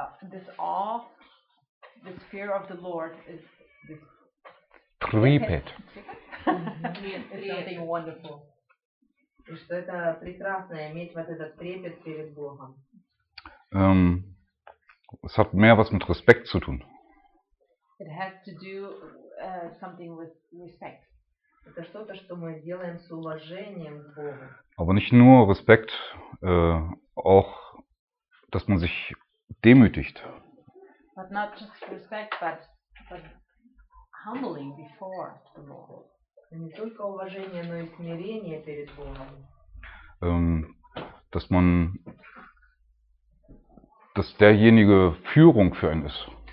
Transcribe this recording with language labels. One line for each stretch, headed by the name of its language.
English: This awe, this fear of the Lord is this.
Russian: Trepet.
English: Something wonderful.
Russian: И что это прекрасно иметь вот этот трепет перед Богом.
German: Es hat mehr was mit Respekt zu tun.
English: It has to do something with respect.
Russian: Это что-то, что мы делаем с уважением к Богу.
German: Aber nicht nur Respekt, auch, dass man sich demütigt.
English: But not just respect, but humbling before the Lord.
Russian: Не только уважение, но и смирение перед Богом.
German: Dass man, dass derjenige Führung für einen ist.